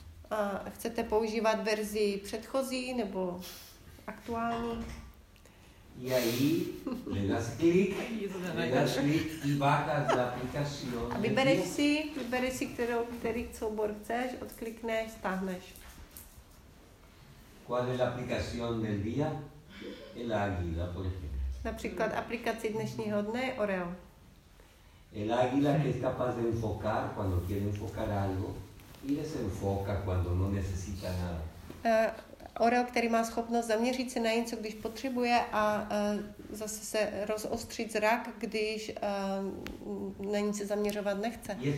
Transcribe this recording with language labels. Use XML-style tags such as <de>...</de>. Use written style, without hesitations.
<cs>A chcete používat verzi předchozí nebo aktuální?</cs> <es>Y ahí le das clic, le das clic y bajas la aplicación.</es> <cs>Vybereš si, který soubor chceš, odklikneš, stáhneš.</cs> <es>¿Cuál es la aplicación del día? El águila, por ejemplo.</es> <cs>Například aplikaci dnešního dne, Oreo.</cs> <es>El águila que es capaz de enfocar cuando quiere enfocar algo y desenfoca cuando no necesita nada.</es> <cs>Oreo, který má schopnost zaměřit se na něco, když potřebuje, a zase se rozostřit zrak, když na nic se zaměřovat nechce.</cs>